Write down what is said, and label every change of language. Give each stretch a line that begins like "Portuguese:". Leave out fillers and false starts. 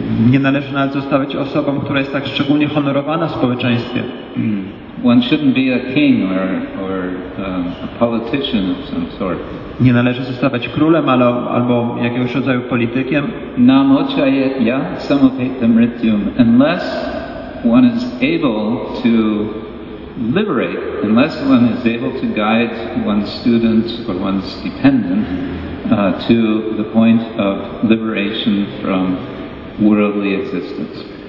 Polish: Nie należy nawet zostawać osobą, która jest tak szczególnie honorowana w społeczeństwie.
English: One shouldn't be a king or a politician of some sort.
Polish: Nie należy zostawać królem albo jakiegoś rodzaju politykiem.
Sanskrit: Namochaya samapetam rityum,
English: unless one is able to liberate, unless one is able to guide one's student or one's dependent to the point of liberation from worldly existence.